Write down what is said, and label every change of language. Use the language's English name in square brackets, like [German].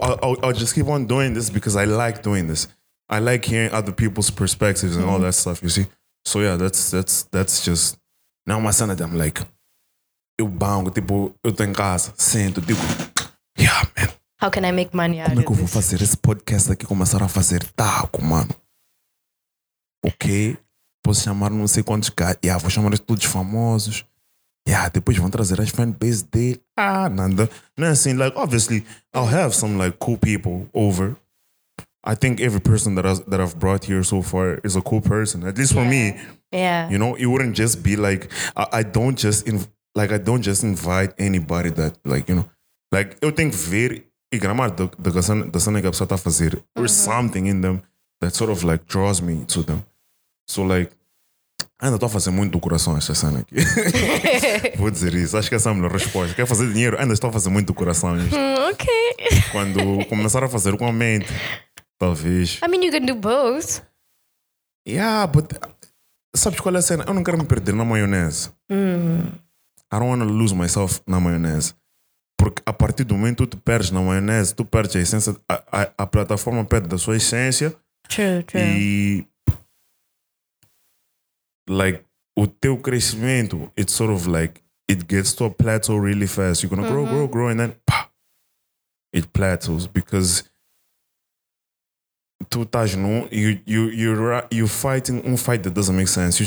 [English] I'll just keep on doing this because I like doing this. I like hearing other people's perspectives and all that stuff, you see. So yeah, that's just now my son and I'm like, [Portuguese] eu bango, tipo, eu tô em casa, sento, digo, [English] yeah, man. How can I make money out of this? [Portuguese] Como é que eu vou fazer esse podcast aqui começar a fazer taco, mano? Ok? Posso chamar não sei quantos caras. Yeah, vou chamar todos famosos. Yeah, depois vão trazer as fanbase dele. Ah, nada. Não é assim, like, [English] obviously, I'll have some, like, cool people over. I think every person that I've brought here so far is a cool person. At least for me. Yeah. You know, it wouldn't just be like, I don't just invite anybody that, like, you know. [Portuguese] Like, eu tenho que ver... E grammar the sana que a pessoa tá fazer. [English] There's something in them that sort of like draws me to them. So like, [Portuguese] ainda tô fazendo muito do coração essa cena aqui. Vou dizer isso. Acho que essa é a melhor resposta. Quer fazer dinheiro? Ainda estou fazendo muito do coração. Ok. Quando começar a fazer com a mente, talvez. [English] I mean, you can do both. Yeah, but... [Portuguese] Sabes qual é a cena? Eu não quero me perder na maionese. [English] I don't want to lose myself [Portuguese] na maionese. Porque a partir do momento que tu perdes na maionese, tu perdes a essência, a plataforma perde da sua essência. [English] True. E, like, [Portuguese] o teu crescimento, [English] it's sort of like, it gets to a plateau really fast. You're gonna grow, and then, pá, it plateaus. Because [Portuguese] tu estás num, [English] you're fighting um fight that doesn't make sense.